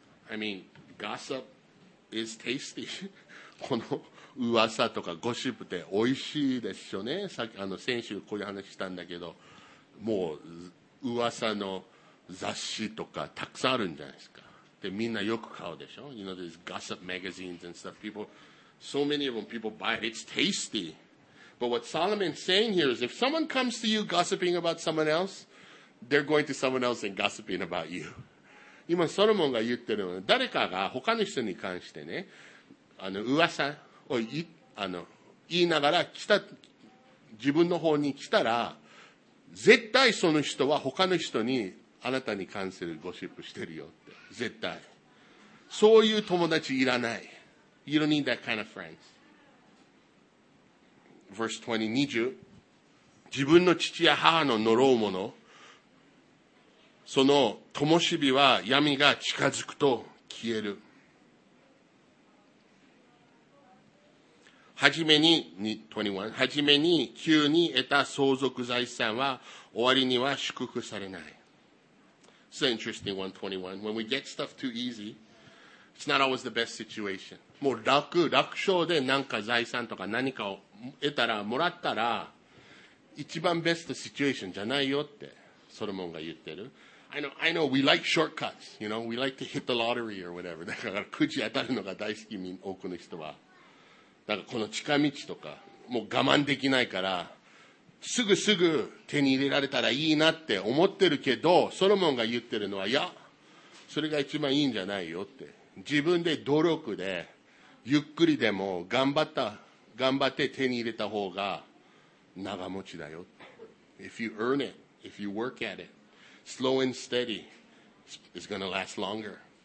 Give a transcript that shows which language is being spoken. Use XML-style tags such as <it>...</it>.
<en>I mean, gossip is tasty.</en> <ja>この噂とかゴシップって美味しいですよね。さっき先週こういう話したんだけど、もう噂の雑誌とかたくさんあるんじゃないですか。でみんなよく買うでしょ。</ja> <en>You know, there's gossip magazines and stuff. People, so many of them, people buy it. It's tasty. But what Solomon's saying here is, if someone comes to you gossiping about someone else, they're going to someone else and gossiping about you.</en> <ja>今ソロモンが言ってるのは、誰かが他の人に関してね、噂を言いながら来た、自分の方に来たら、絶対その人は他の人にあなたに関するゴシップしてるよって。絶対。そういう友達いらない。</ja> <en>You don't need that kind of friends. Verse 20.</en> <ja>自分の父や母の呪う者、その灯火は闇が近づくと消える。はじめに急に得た相続財産は終わりには祝福されない。</ja> <en>It's an interesting one, 21. When we get stuff too easy, it's not always the best situation.</en> <ja>もう楽勝で何か財産とか何かを得たら、もらったら、一番ベストシチュエーションじゃないよって、ソロモンが言ってる。</ja> <en>I know, we like shortcuts, you know, we like to hit the lottery or whatever.</en> <ja>だからくじ当たるのが大好き、多くの人は。だからこの近道とか、もう我慢できないから、すぐ手に入れられたらいいなって思ってるけど、ソロモンが言ってるのは、いや、それが一番いいんじゃないよって。自分で努力で、ゆっくりでも頑張って手に入れた方が長持ちだよって。</ja> <en>If you earn it, if you work at it, slow and steady, it's gonna last longer.</en>